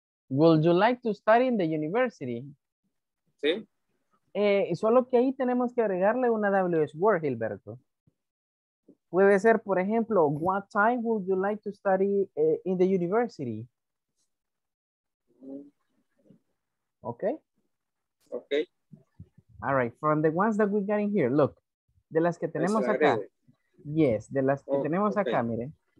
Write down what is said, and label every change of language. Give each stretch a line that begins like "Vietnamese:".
English: Would you like to study in the university?
Spanish: Sí. Solo que ahí tenemos que agregarle una WH word, Gilberto. Puede ser, por ejemplo,
English: what time would you like to study in the university? Okay. Okay. All right, from the ones that we got in here, look.
Spanish: De las que tenemos acá. Yes, de las que tenemos okay. Acá, mire.